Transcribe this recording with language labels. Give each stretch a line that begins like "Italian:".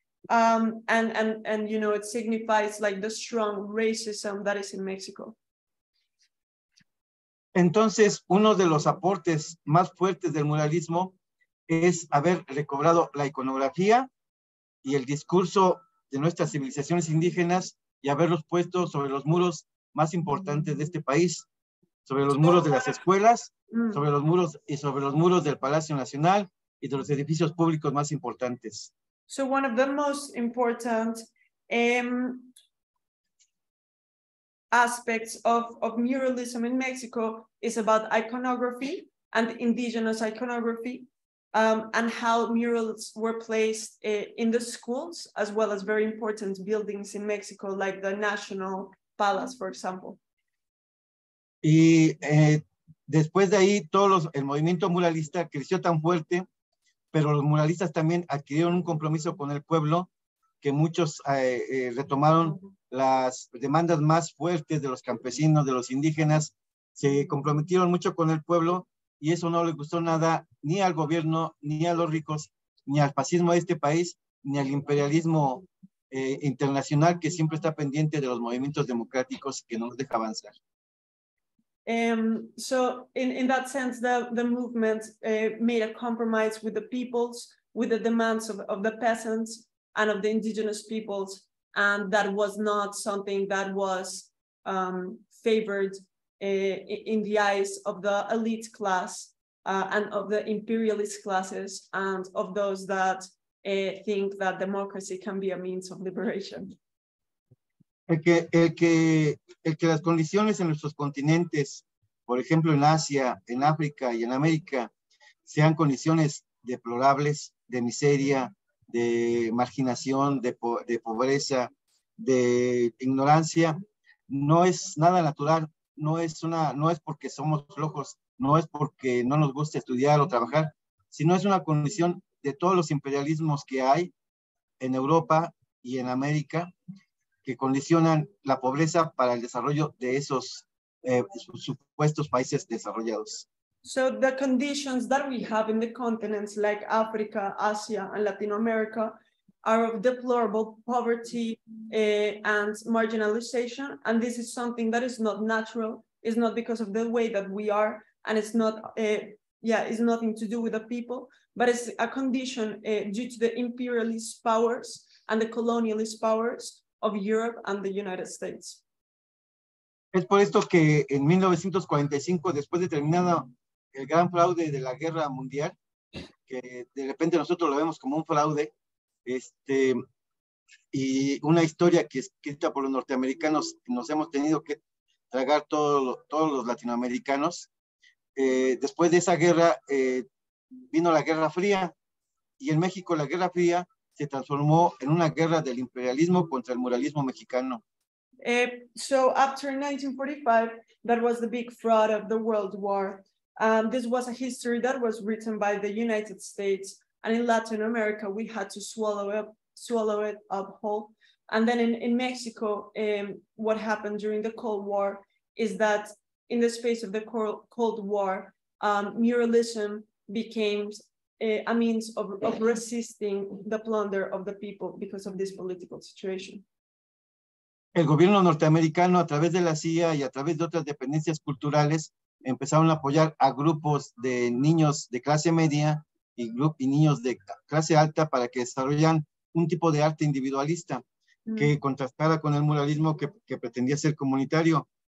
English: And it signifies like the strong racism that is in Mexico.
Spanish: Entonces, uno de los aportes más fuertes del muralismo es haber recobrado la iconografía y el discurso de nuestras civilizaciones indígenas y haberlos puesto sobre los muros más importantes de este país, sobre los muros de las escuelas, sobre los muros del Palacio Nacional, y de los edificios públicos más importantes.
English: So one of the most important aspects of muralism in Mexico is about iconography and indigenous iconography, and how murals were placed in the schools, as well as very important buildings in Mexico, like the National Palace, for example.
Spanish: Y después de ahí, el movimiento muralista creció tan fuerte, pero los muralistas también adquirieron un compromiso con el pueblo, que muchos retomaron las demandas más fuertes de los campesinos, de los indígenas, se comprometieron mucho con el pueblo, y eso no le gustó nada ni al gobierno, ni a los ricos, ni al fascismo de este país, ni al imperialismo internacional que siempre está pendiente de los movimientos democráticos que no nos deja avanzar.
English: So in that sense, the movement made a compromise with the peoples, with the demands of the peasants and of the indigenous peoples, and that was not something that was favored in the eyes of the elite class and of the imperialist classes and of those that think that democracy can be a means of liberation.
Spanish: El que las condiciones en nuestros continentes, por ejemplo, en Asia, en África y en América, sean condiciones deplorables, de miseria, de marginación, de pobreza, de ignorancia, no es nada natural, no es porque somos flojos, no es porque no nos gusta estudiar o trabajar, sino es una condición de todos los imperialismos que hay en Europa y en América, que condicionan la pobreza para el desarrollo de esos supuestos países desarrollados.
English: So the conditions that we have in the continents like Africa, Asia, and Latin America are of deplorable poverty and marginalization. And this is something that is not natural. It's not because of the way that we are, and it's not, it's nothing to do with the people, but it's a condition due to the imperialist powers and the colonialist powers of Europe and the United States.
Spanish: Es por esto que en 1945, después de terminado el gran fraude de la guerra mundial, que de repente nosotros lo vemos como un fraude, y una historia que escrita por los norteamericanos, nos hemos tenido que tragar todos los latinoamericanos. Después de esa guerra, vino la Guerra Fría, y en México la Guerra Fría se transformó en una guerra del imperialismo contra el muralismo mexicano.
English: So after 1945, that was the big fraud of the World War. This was a history that was written by the United States, and in Latin America, we had to swallow it up whole. And then in Mexico, what happened during the Cold War is that in the space of the Cold War, muralism became a means of resisting the plunder of the people because of this political situation.
Spanish: El gobierno norteamericano, a través de la CIA y a través de otras dependencias culturales, empezaron a apoyar a grupos de niños de clase media y niños de clase alta para que desarrollan un tipo de arte individualista que contrastara con el muralismo que pretendía ser comunitario.